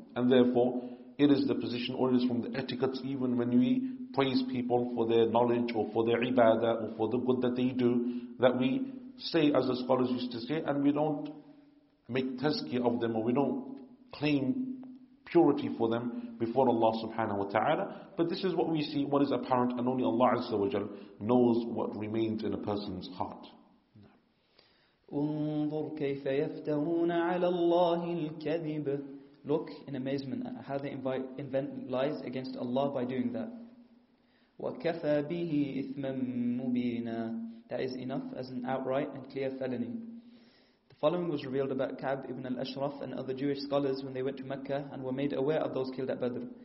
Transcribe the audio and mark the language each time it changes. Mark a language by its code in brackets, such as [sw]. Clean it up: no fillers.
[en] And therefore, it is the position, or it is from the etiquettes, even when we praise people for their knowledge or for their ibadah or for the good that they do, that we say, as the scholars used to say, and we don't make tazkiyah of them, or we don't claim purity for them before Allah subhanahu wa ta'ala. But this is what we see, what is apparent, and only Allah azza wa jal knows what remains in a person's heart. [ar] انظر كيف يفترون على الله الكذب. [en] Look in amazement at how they invent lies against Allah by doing that. [ar] وكفى به إثما مبينا. [en] That is enough as an outright and clear felony. The following was revealed about Ka'b ibn al-Ashraf and other Jewish scholars when they went to Mecca and were made aware of those killed at Badr.